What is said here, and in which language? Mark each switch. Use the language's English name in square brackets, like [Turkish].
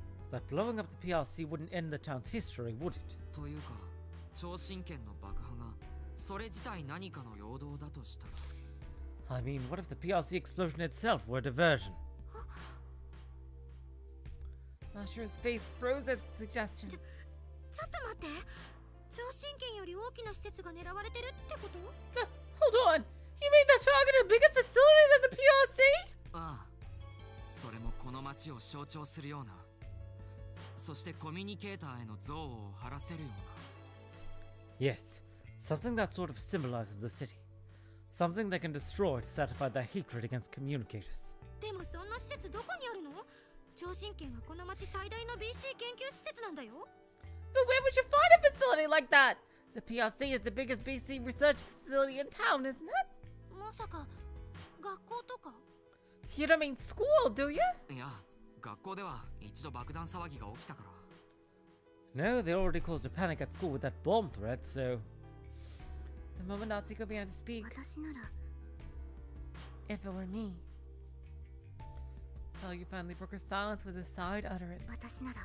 [English] But blowing up the PRC wouldn't end the town's history, would it? [Japanese] というか、超新圏の爆破がそれ自体何かの陽動だとしたら。 [English] I mean, what if the PRC explosion itself were a diversion? Mashiro's face froze at the suggestion. [Japanese] ちょっと待って! 超新圏より大きな施設が狙われてるってこと? [English] Hold on! You mean that target a bigger facility than the PRC? [Japanese] ああ。それもこの街を象徴するような。そしてコミュニケーターへの憎悪を晴らせるような。 [English] Yes. Something that sort of symbolizes the city. Something they can destroy to satisfy their hatred against communicators. [Japanese] でもそんな施設どこにあるの?超新圏はこの町最大の BC 研究施設なんだよ。 [English] But where would you find a facility like that? The PRC is the biggest BC research facility in town, isn't it? [Japanese] まさか、学校とか? [English] You don't mean school, do you? [Japanese] いや、学校では一度爆弾騒ぎが起きたから。 [English] No, they already caused a panic at school with that bomb threat, so... The moment Natsuhiko began to speak, if it were me, Sayu finally broke her silence with a side utterance.